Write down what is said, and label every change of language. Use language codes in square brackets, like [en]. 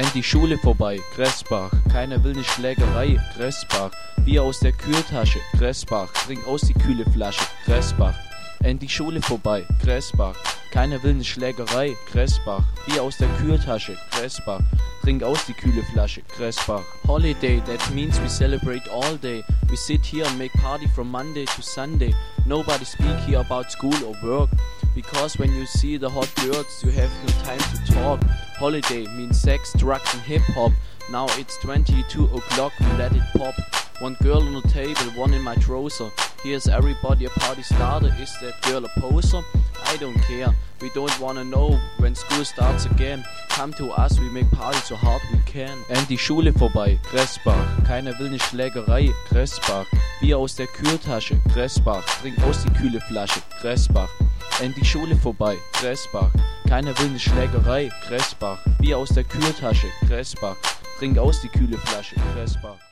[de] Die Schule vorbei, Kressbach. Keiner will ne Schlägerei, Kressbach. Bier aus der Kühltasche, Kressbach. Trink aus die kühle Flasche, Kressbach. Die Schule vorbei, Kressbach. Keiner will ne Schlägerei, Kressbach. Bier aus der Kühltasche, Kressbach. Trink aus die kühle Flasche, Kressbach. [en] Holiday, that means we celebrate all day. We sit here and make party from Monday to Sunday. Nobody speak here about school or work. Because when you see the hot girls, you have no time to talk. Holiday means sex, drugs and hip-hop. Now it's 22 o'clock, we let it pop. One girl on the table, one in my trouser. Here's everybody a party starter. Is that girl a poser? I don't care. We don't wanna know when school starts again. Come to us, we make party so hard we can. [de] Die Schule vorbei, Kressbach. Keiner will ne Schlägerei, Kressbach. Bier aus der Kühltasche, Kressbach. Trink aus die kühle Flasche, Kressbach. Die Schule vorbei, Kressbach. Keiner will ne Schlägerei, Kressbach. Bier aus der Kühltasche, Kressbach. Trink aus die kühle Flasche, Kressbach.